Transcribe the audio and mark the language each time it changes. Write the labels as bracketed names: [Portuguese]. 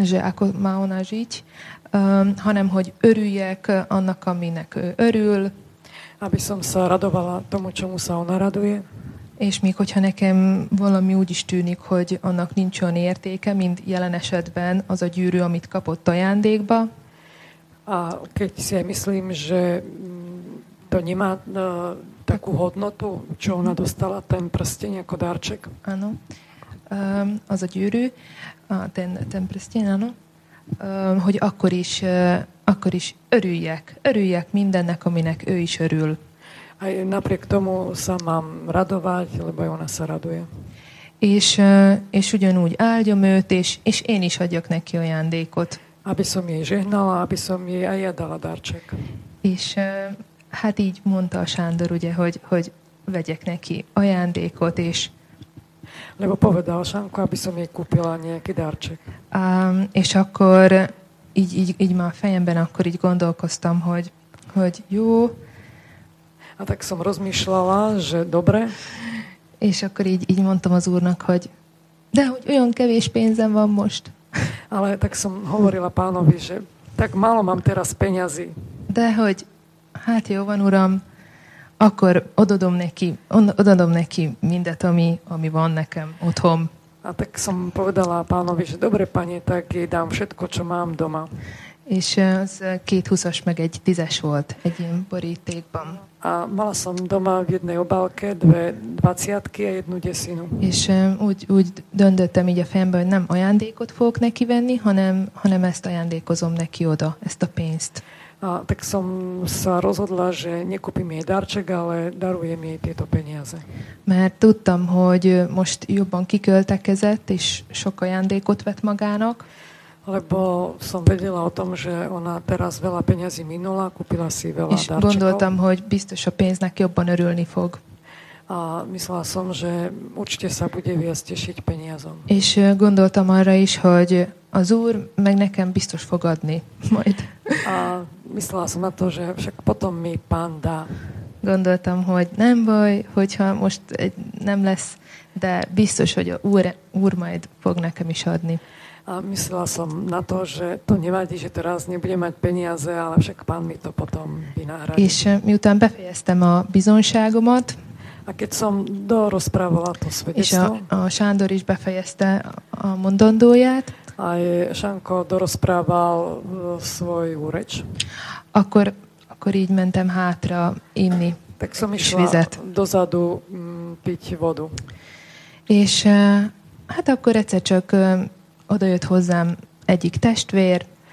[Slovak] Že ako má ona žiť, [Hungarian] hanem hogy örüljek annak, aminek ő örül. [Slovak] Aby som sa radovala tomu, čomu sa ona raduje. [Hungarian] És még hogyha nekem valami úgy is tűnik, hogy annak nincs olyan értéke, mint jelen esetben az a gyűrű, amit kapott ajándékba. [Slovak] A keď si aj myslím, že to nemá takú hodnotu, čo ona dostala, ten prsteň ako darček. Áno, [Hungarian] az a gyűrű, [Slovak] ten prsteň, áno. [Hungarian] Hogy akkor is örüljek mindennek, aminek ő is örül. [Slovak] Aj napriek tomu sa mám radovať, lebo ona sa raduje. [Hungarian] És ugyanúgy áldjam őt, és én is adjak neki ajándékot. [Slovak] Aby som jej žehnala, aby som jej aj adala darček. [Hungarian] És hát így mondta a Sándor, ugye, hogy vegyek neki ajándékot, és... [Slovak] Lebo povedal Sanko, aby som jej kúpila nejaký darček. [Hungarian] És akkor így már fejemben akkor így gondolkoztam, hogy jó. [Slovak] A tak som rozmýšľala, že dobre. [Hungarian] És akkor így mondtam az úrnak, hogy de hogy olyan kevés pénzem van most. [Slovak] Ale tak som hovorila pánovi, že tak málo mám teraz peňazí. [Hungarian] De hogy, hát jó van, uram, akkor odadom neki mindet, ami van nekem otthon. [Slovak] A tak som povedala pánovi, že dobre, panie, tak jej dám všetko, čo mám doma. [Hungarian] És az 2 20-as meg 1 10-es volt egy ilyen borítékban. [Slovak] A mala som doma v jednej obálke 2 20-ky a 1 10-ku. [Hungarian] És úgy döntöttem így a fejembe, hogy nem ajándékot fogok neki venni, hanem ezt ajándékozom neki oda, ezt a pénzt. [Slovak] A tak som sa rozhodla, že nekúpim jej darček, ale darujem jej tieto peniaze. [Hungarian] Mert tudtam, hogy most jobban kiköltekezett, és sok ajándékot vett magának. [Slovak] Lebo som vedela o tom, že ona teraz veľa peniazy minula, kúpila si veľa darčekov. [Hungarian] És gondoltam, hogy biztos a pénznek jobban örülni fog. [Slovak] A myslela som, že určite sa bude viac tešiť peniazom. [Hungarian] És gondoltam arra is, hogy az úr meg nekem biztos fog adni majd. [Slovak] A myslela som na to, že však potom mi pán dá. [Hungarian] Gondoltam, hogy nem baj, hogyha most nem lesz, de biztos, hogy az úr majd fog nekem is adni. [Slovak] A myslela som na to, že to nevadí, že teraz nebudem mať peniaze, ale však pán mi to potom vynáhradí. [Hungarian] És miután befejeztem a bizonságomat. [Slovak] A keď som dorozprávala to svedectvo. [Hungarian] És a Sándor is befejezte a mondandóját. [Slovak] A Šanko dorozprával svoju reč. [Hungarian] Akkor így mentem hátra inni. [Slovak] Tak som išla dozadu piť vodu. [Hungarian] És hát akkor egyszer csak odajött hozzám egyik testvér.